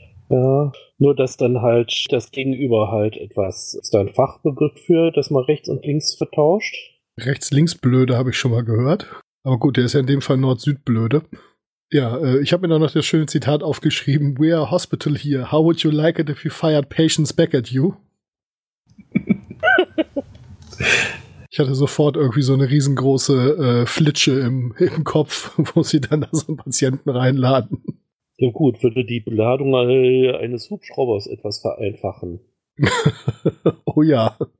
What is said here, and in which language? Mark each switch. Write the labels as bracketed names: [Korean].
[German] Ja, nur dass dann halt das Gegenüber halt etwas, ist da ein Fachbegriff für, dass man rechts und links vertauscht? Rechts-links-Blöde habe ich schon mal gehört. Aber gut, der ist ja in dem Fall Nord-Süd-Blöde. Ja, ich habe mir noch das schöne Zitat aufgeschrieben. [English] We are a hospital here. How would you like it if we fired patients back at you? [German] Ich hatte sofort irgendwie so eine riesengroße Flitsche im Kopf, wo sie dann da so einen Patienten reinladen. Ja gut, würde die Beladung eines Hubschraubers etwas vereinfachen. Oh ja.